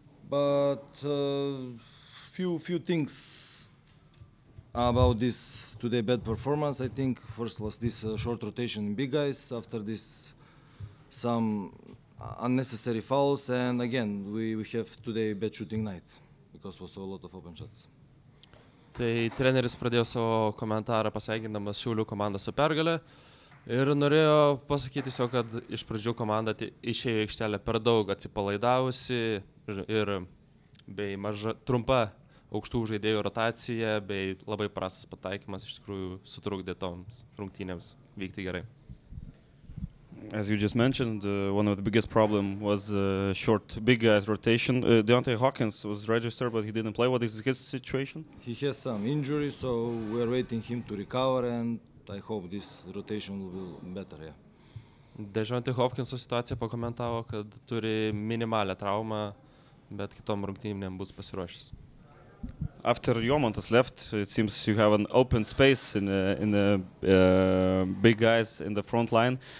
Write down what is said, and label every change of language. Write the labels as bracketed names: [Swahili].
[English] But few things about this today bad performance. I think first was this short rotation in big guys. After this, some unnecessary fouls, and again we have today bad shooting night because was a lot of open shots. [Lithuanian] Tai treneris pradėjo savo komentarą pasveikindamas Šiaulių komandą su pergale ir norėjo pasakyti tiesiog, kad iš pradžių komanda išėjo aikštelę per daug atsipalaidavusi ir bei maža trumpa aukštų žaidėjų rotacija bei labai prastas pataikymas iš tikrųjų sutrukdė toms rungtynėms vykti gerai. [English] As you just mentioned, one of the biggest problem was short big guys rotation. Deontay Hawkins was registered, but he didn't play. What is his situation? He has some injury, so we are waiting him to recover, and I hope this rotation will be better. Yeah. [Lithuanian] Deontay Hawkins situacija pakomentavo, kad turi minimalią traumą, bet kitom rungtynėm bus pasiruošęs. [English] After Jomont has left, it seems you have an open space in the big guys in the front line.